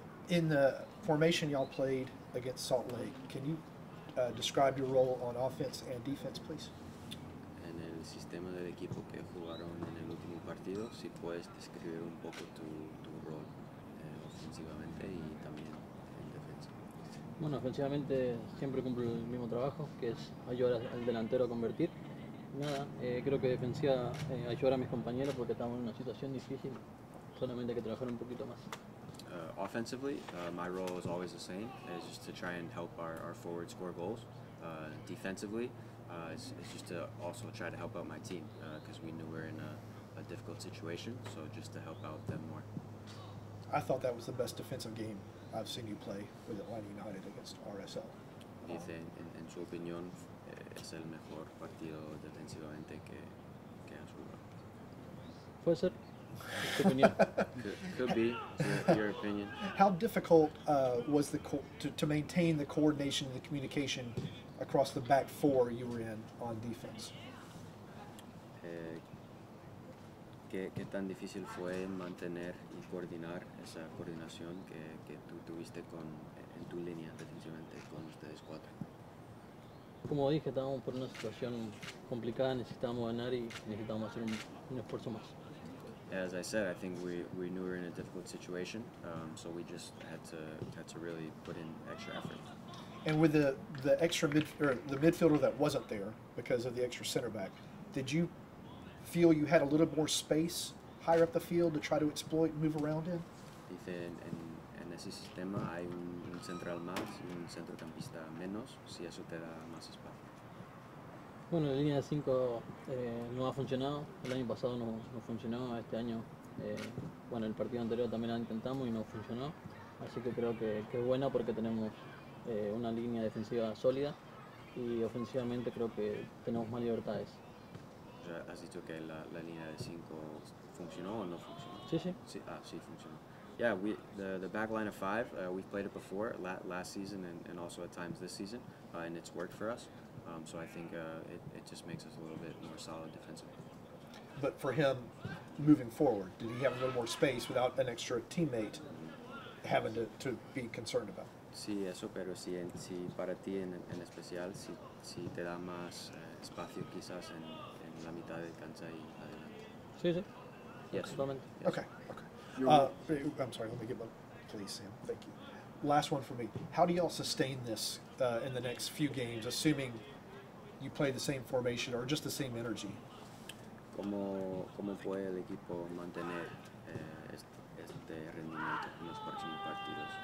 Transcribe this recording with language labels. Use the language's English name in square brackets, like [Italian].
[English] In the formation y'all played against Salt Lake, can you describe your role on offense and defense, please? [Spanish] En el sistema del equipo que jugaron en el último partido, si puedes describir un poco tu rol ofensivamente y también en defensa. Bueno, ofensivamente siempre cumplo el mismo trabajo, que es ayudar al delantero a convertir. Nada, creo que defensiva ayudar a mis compañeros porque estamos en una situación difícil, solamente hay que trabajar un poquito más. [English] Offensively, my role is always the same, is just to try and help our forward score goals. Defensively, it's just to also try to help out my team, because we knew we were in a difficult situation, so just to help out them more. I thought that was the best defensive game I've seen you play with Atlanta United against RSL. [Spanish] Dice, en su opinión, es el mejor partido defensivamente que has jugado. Puede ser. [English] could be your opinion. How difficult was the to maintain the coordination and the communication across the back four you were in on defense? [Spanish] ¿Qué tan difícil fue mantener y coordinar esa coordinación que tú tuviste con en tu línea defensivamente con ustedes cuatro? Como dije, estábamos por una situación complicada, necesitábamos ganar y necesitábamos hacer un esfuerzo más. [English] As I said, I think we knew we were in a difficult situation, so we just had to really put in extra effort. And with the extra the midfielder that wasn't there because of the extra center back, did you feel you had a little more space higher up the field to try to exploit and move around in? [Spanish] Dice, en ese sistema hay un central más y un centrocampista menos, si eso te da más espacio. Bueno, la línea de 5 no ha funcionado, el año pasado no funcionó, este año, bueno, el partido anterior también la intentamos y no funcionó, así que creo que es buena porque tenemos una línea defensiva sólida y ofensivamente creo que tenemos más libertades. Ya has dicho que la línea de 5 funcionó o no funcionó. Sí, sí. Sí, sí funcionó. [English] Yeah, the back line of 5, we've played it before, last season and also at times this season, and it's worked for us. So I think it just makes us a little bit more solid defensively. But for him, moving forward, did he have a little more space without an extra teammate having to be concerned about? [Spanish] Sí, eso, pero si para ti en especial, si te da más espacio quizás en la mitad de cancha y adelante. Sí, sí. [English] Yes. Okay. I'm sorry, let me get one. Please, Sam. Thank you. Last one for me. How do y'all sustain this in the next few games, assuming you play the same formation or just the same energy? [Spanish] ¿Cómo puede el equipo mantener este rendimiento en los próximos partidos?